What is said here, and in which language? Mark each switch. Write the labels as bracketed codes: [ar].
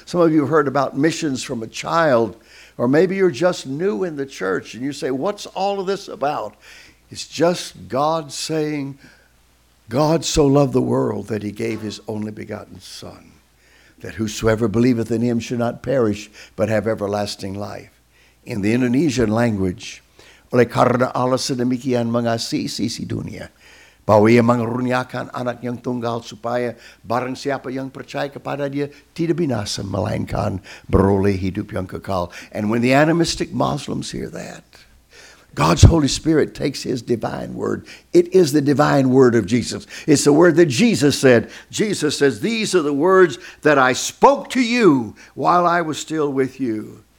[en] Some of you have heard about missions from a child. Or maybe you're just new in the church and you say, what's all of this about? It's just God saying, God so loved the world that he gave his only begotten Son, that whosoever believeth in him should not perish, but have everlasting life. In the Indonesian language, [id] oleh karena Allah sedemikian mengasihi sisi dunia, bahwa ia mengaruniakan anak yang tunggal supaya barang siapa yang percaya kepada dia tidak binasa, melainkan beroleh hidup yang kekal. [en] And when the animistic Muslims hear that, God's Holy Spirit takes his divine word. It is the divine word of Jesus. It's the word that Jesus said. Jesus says, these are the words that I spoke to you while I was still with you.